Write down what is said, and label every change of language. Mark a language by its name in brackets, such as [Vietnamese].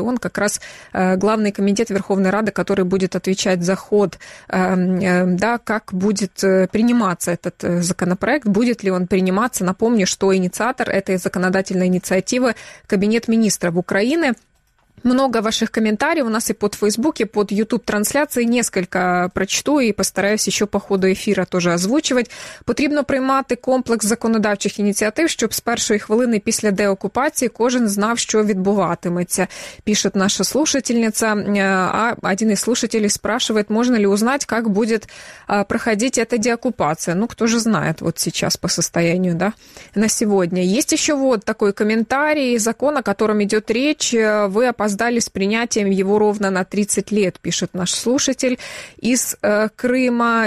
[Russian] Он как раз главный комитет Верховной Рады, который будет отвечать за ход, да, как будет приниматься этот законопроект, будет ли он приниматься. Напомню, что инициатор этой законодательной инициативы – Кабинет министров Украины. Много ваших комментариев у нас и под Facebook, и под YouTube-трансляцией. Несколько прочту и постараюсь еще по ходу эфира тоже озвучивать. [Ukrainian] Потрібно приймати комплекс законодавчих ініціатив, щоб з першої хвилини після деокупації кожен знав, що відбуватиметься, пише наша слушательниця. [Russian] А один із слушателей спрашивает, можна ли узнать, как будет проходить эта деокупация. Ну, кто же знает вот сейчас по состоянию, да, на сегодня. Есть еще вот такой комментарий, закон, о котором идет речь. Вы опоздали с принятием его ровно на 30 лет, пишет наш слушатель из Крыма.